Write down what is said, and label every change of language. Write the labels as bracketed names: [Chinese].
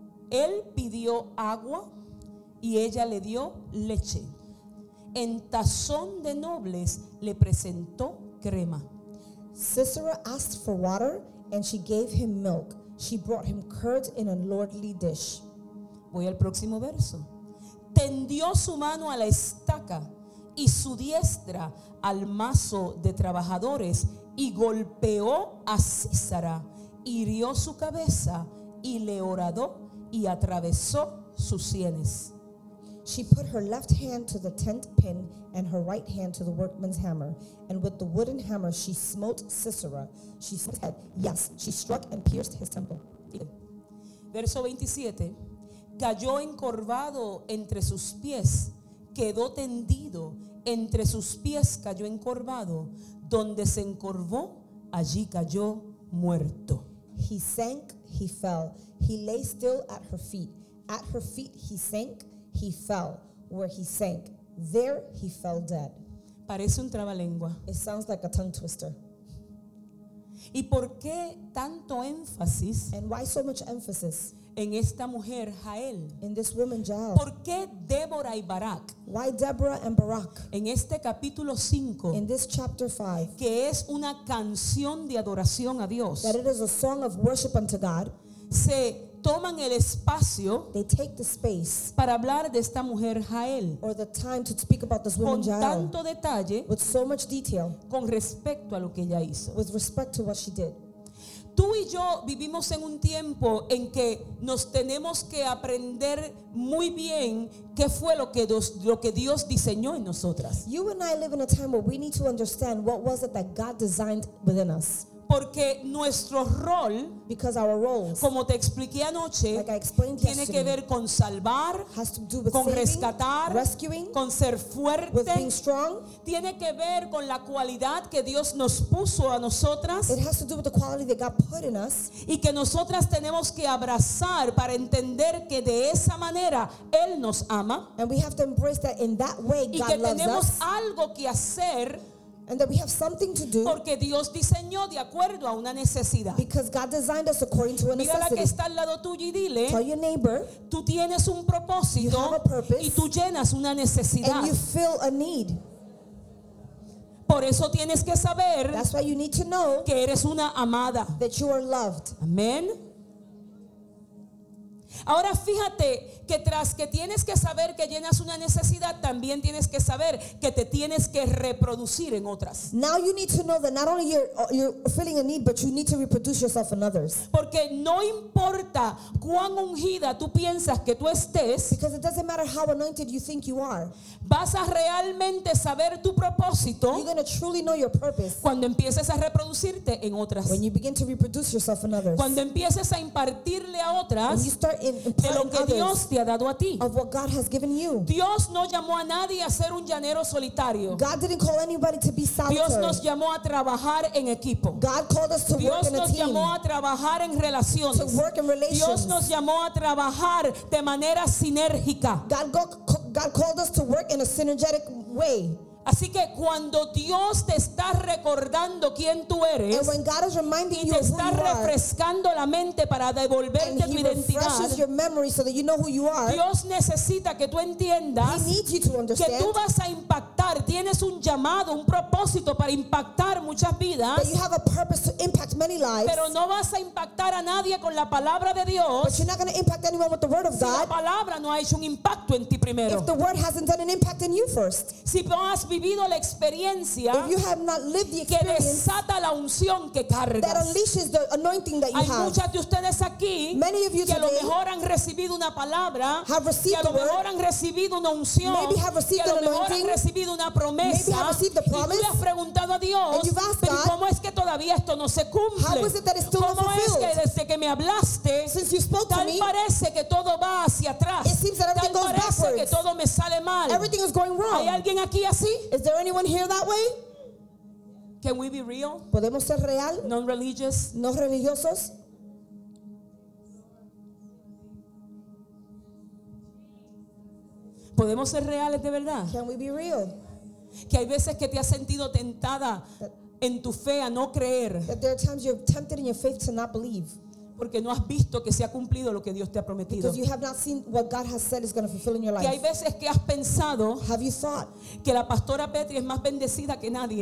[Spanish] Él pidió agua y ella le dio leche. En tazón de nobles le presentó crema. [English] Sisera asked for water and she gave him milk. She brought him curds in a lordly dish. [Spanish] Voy al próximo verso. Tendió su mano a la estaca y su diestra al mazo de trabajadores y golpeó a Sísara, hirió su cabeza y le horadó y atravesó sus sienes. [English] She put her left hand to the tent pin and her right hand to the workman's hammer, and with the wooden hammer she smote Sisera. She smote his head. Yes, she struck and pierced his temple. [Spanish] Verso 27. Cayó encorvado entre sus pies, quedó tendido, entre sus pies cayó encorvado, donde se encorvó, allí cayó muerto. [English] He sank, he fell, he lay still at her feet he sank, he fell, where he sank, there he fell dead. [Spanish] Parece un trabalengua. [English] It sounds like a tongue twister. [Spanish] ¿Y por qué tanto énfasis? [English] And why so much emphasis? [Spanish] En esta mujer Jael. [English] In this woman Jael. [Spanish] ¿Por qué Débora y Barak? [English] Why Deborah and Barak? [Spanish] En este capítulo 5. [English] In this chapter 5. [Spanish] Que es una canción de adoración a Dios. [English] That it is a song of worship unto God. [Spanish] Se toman el espacio. [English] They take the space. [Spanish] Para hablar de esta mujer Jael. [English] Or the time to speak about this woman Jael. [Spanish] Con tanto detalle. [English] With so much detail. [Spanish] Con respecto a lo que ella hizo. [English] With respect to what she did. [Spanish] Tú y yo vivimos en un tiempo en que nos tenemos que aprender muy bien qué fue lo que Dios diseñó en nosotras. [English] You and I live in a time where we need to understand what was it that God designed within us. [Spanish] Porque nuestro rol, [English] because our roles, [Spanish] como te expliqué anoche, [English] like I explained [Spanish] tiene [English] yesterday, [Spanish] que ver con salvar, [English] has to do with [Spanish] con [English] saving, [Spanish] rescatar, [English] rescuing, [Spanish] con ser fuerte, [English] with being strong, [Spanish] tiene que ver con la cualidad que Dios nos puso a nosotras, [English] it has to do with the quality that God put in us, [Spanish] y que nosotras tenemos que abrazar para entender que de esa manera Él nos ama, [English] and we have to embrace that in that way God [Spanish] y que [English] loves [Spanish] tenemos [English] us. [Spanish] Algo que hacer. [English] And that we have something to do. [Spanish] Porque Dios diseñó de acuerdo a una necesidad. [English] Because God designed us according to a necessity. [Spanish] Mira la que está al lado tuyo y dile, [English] tell your neighbor, [Spanish] tú tienes un propósito, [English] you have a purpose, [Spanish] y tú llenas una necesidad. [English] And you fill a need. [Spanish] Por eso tienes que saber, [English] that's why you need to know, [Spanish] que eres una amada. [English] That you are loved. Amen. [Spanish] Ahora fíjate que tras que tienes que saber que llenas una necesidad, también tienes que saber que te tienes que reproducir en otras. [English] Now you need to know that not only you're filling a need, but you need to reproduce yourself in others. [Spanish] Porque no importa cuán ungida tú piensas que tú estés, [English] because it doesn't matter how anointed you think you are, [Spanish] vas a realmente saber tu propósito, [English] you're going to truly know your purpose, [Spanish] cuando empieces a reproducirte en otras, [English] when you begin to reproduce yourself in others, [Spanish] cuando empieces a impartirle a otras, [English] when you start [Spanish] de lo que Dios te ha dado a ti. [English] Of what God has given you. [Spanish] Dios no llamó a nadie a ser un llanero solitario. [English] God didn't call anybody to be solitary. [Spanish] Dios nos llamó a trabajar en equipo. [English] God called us to [Spanish] Dios [English] work in a team. [Spanish] Dios nos llamó a trabajar en relaciones. [English] To work in relations. [Spanish] Dios nos llamó a trabajar de manera sinérgica. [English] God called us to work in a synergetic way. [Spanish] Así que cuando Dios te está recordando quién tú eres, [English] and when God is reminding [Spanish] y te está refrescando la mente para devolverte tu identidad, [English] refreshes your memory so that you know who you are, [Spanish] Dios necesita que tú entiendas que tú vas a impactar, tienes un llamado, un propósito para impactar muchas vidas, [English] that you have a purpose to impact many lives, [Spanish] pero no vas a impactar a nadie con la palabra de Dios, [English] but you're not going to impact anyone with the word of [Spanish] si [English] God, [Spanish] la palabra no ha hecho un impacto en ti primero, [English] if the word hasn't done an impact in you first. [Spanish] Si has vivido la experiencia que desata la unción que cargas. Hay muchas de ustedes aquí que a lo mejor han recibido una palabra, que a lo mejor han recibido una unción, que a lo mejor han recibido una promesa, y tú le has preguntado a Dios, pero ¿cómo es que todavía esto no se cumple? ¿Cómo es que desde que me hablaste tal parece que todo va hacia atrás? Tal parece que todo me sale mal. ¿Hay alguien aquí así? [English] Is there anyone here that way? Can we be real? [Spanish] ¿Podemos ser real? [English] Non-religious? [Spanish] No religiosos? ¿Podemos ser reales de verdad? [English] Can we be real? [Spanish] Que hay veces que te has sentido tentada en tu fe a no creer. [English] That there are times you're tempted in your faith to not believe. [Spanish] Porque no has visto que se ha cumplido lo que Dios te ha prometido. [English] Because you have not seen what God has said is going to fulfill in your life. [Spanish] Que hay veces que has pensado, [English] have you thought, [Spanish] que la pastora Petri es más bendecida que nadie.